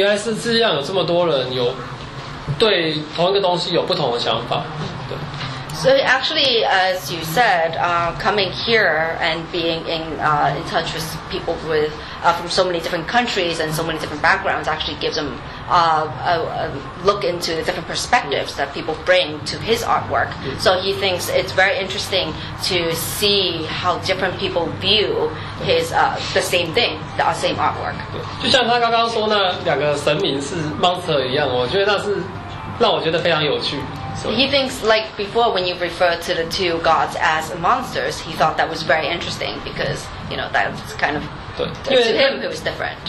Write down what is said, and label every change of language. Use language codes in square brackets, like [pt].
[zh] 我觉得参加这种活动，就是它有很大价值，在于说可以认识不同国家的人，那他们对我作品的看法跟我在亚洲或者是台湾是可能是不一样的。那些东西可以，就是让我觉得原来是世界上有这么多人有。对同一个东西有不同的想法, 对。 [en] So actually, as you said, coming here and being in touch with people with from so many different countries and so many different backgrounds actually gives them a look into the different perspectives that people bring to his artwork. So he thinks it's very interesting to see how different people view his the same thing, the same artwork. [zh] 就像他刚刚说那两个神明是 monster 一样，我觉得那是。让我觉得非常有趣, [en] so. He thinks, like before, when you refer to the two gods as monsters, he thought that was very interesting because, you know, that's kind of, to him, it was different.